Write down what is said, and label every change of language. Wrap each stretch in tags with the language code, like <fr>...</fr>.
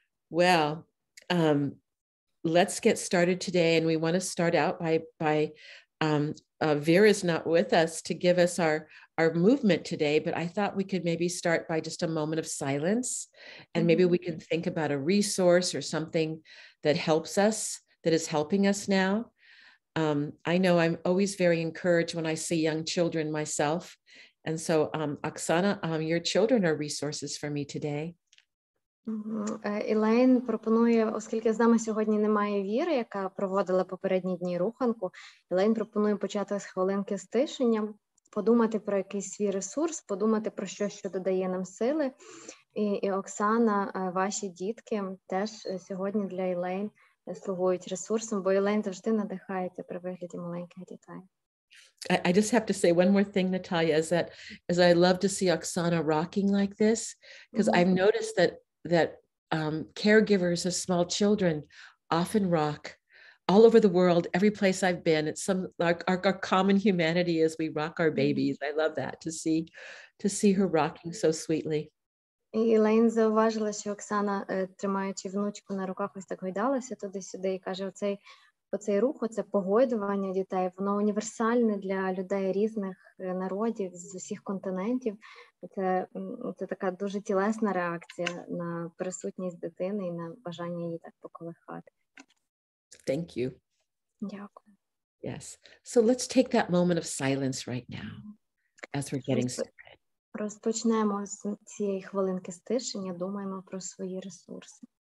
<en>Well, let's get started today, and we want to start out by Vera's not with us to give us our movement today, but I thought we could maybe start by just a moment of silence, and maybe we can think about a resource or something that helps us, that is helping us now. I know I'm always very encouraged when I see young children myself, and so Оксана, your children are resources for me today.</en> <uk>Елейн пропонує, оскільки з нами сьогодні немає Віри, яка проводила попередні дні руханку, Елейн пропонує почати з хвилинки стишення, подумати про якийсь свій ресурс, подумати про щось, що додає нам сили. І Оксана, ваші дітки теж сьогодні для Елейн слугують ресурсом, бо Елейн завжди надихається при вигляді маленьких дітей.</uk> <en>I just have to say one more thing, Наталія, is that as I love to see Оксана rocking like this, because I've noticed that caregivers of small children often rock all over the world, every place I've been. It's some like our common humanity as we rock our babies. I love that to see her rocking so sweetly.</en> <uk>Елейн зауважила, що Оксана, тримаючи внучку на руках, ось так гойдалася туди-сюди, і каже, оцей оцей рух, оце погойдування дітей, воно універсальне для людей різних народів з усіх континентів. Це така дуже тілесна реакція на присутність дитини і на бажання її так поколихати.</uk> <en>Thank you.</en> <uk>Дякую.</uk> <en>Yes. So let's take that moment of silence right now as we're getting started.</en> <uk>Розпочнемо з цієї хвилинки стишення, думаємо про свої ресурси.</uk>